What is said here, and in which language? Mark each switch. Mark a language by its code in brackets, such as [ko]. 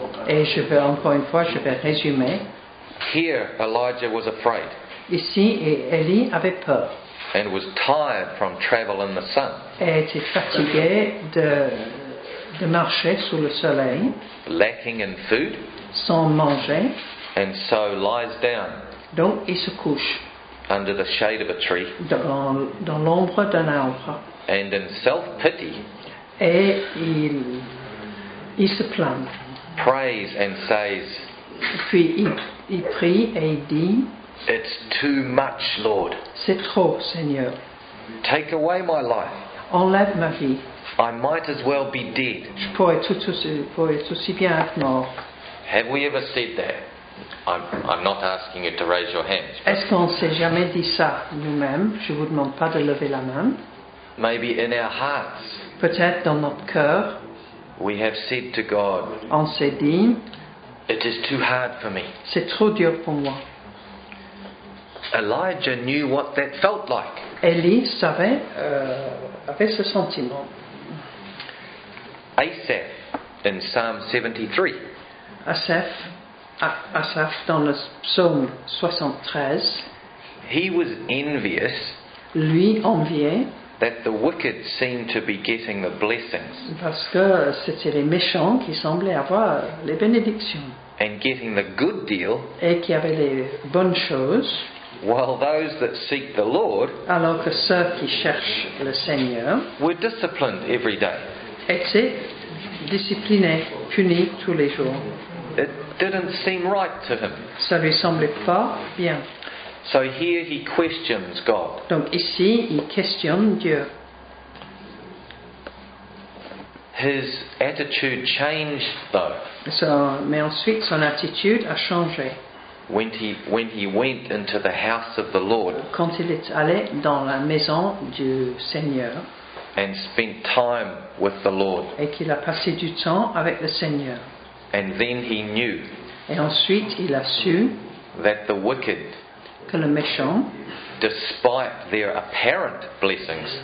[fr] Et je vais encore une fois, je vais résumer. [en] Here Elijah was afraid. [fr] Ici, Élie avait peur. [en] And was tired from travel in the sun. [fr] Et était fatigué de marcher sous le soleil. [en] Lacking in food. [fr] Sans manger. [en] And so lies down. [fr] Donc il se couche. [en] Under the shade of a tree. [fr] Dans l'ombre d'un arbre. [en] And in self-pity. [fr] Et il se plaint. [en] Prays and says. [fr] Puis il prie et il dit. [en] It's too much, Lord. [fr] C'est trop, Seigneur. [en] Take away my life. [fr] Enlève ma vie. [en] I might as well be dead. [fr] Je pourrais tout aussi bien être mort. [en] Have we ever said that? I'm not asking you to raise your hands. [fr] Est-ce qu'on s'est jamais dit ça nous-mêmes? Je vous demande pas de lever la main. [en] Maybe in our hearts. [fr] Peut-être dans notre cœur. [en] We have said to God. [fr] On s'est dit. [en] It is too hard for me. [fr] C'est trop dur pour moi. [en] Elijah knew what that felt like. [fr] Élie savait avait ce sentiment. [en] Asaph in Psalm 73. [fr] Asaph dans le psaume 73. [en] He was envious. [fr] Lui enviait. [en] That the wicked seemed to be getting the blessings. [fr] Parce que c'était les méchants qui semblaient avoir les bénédictions. [en] And getting the good deal. [fr] Et qui avaient les bonnes choses. [en] While those that seek the Lord. [fr] Alors que ceux qui cherchent le Seigneur. [en] Were disciplined every day. [fr] Étaient disciplinés, punis tous les jours. [en] It didn't seem right to him. [fr] Ça lui semblait pas bien. [en] So here he questions God. [fr] Donc ici il questionne Dieu. [en] His attitude changed though. [fr] Mais ensuite son attitude a changé. [en] When he went into the house of the Lord. [fr] Quand il est allé dans la maison du Seigneur. [en] And spent time with the Lord. [fr] Et qu'il a passé du temps avec le Seigneur. [en] And then he knew. [fr] Et ensuite il a su. [en] That the wicked. [fr] Que le méchant, [en] despite their apparent blessings,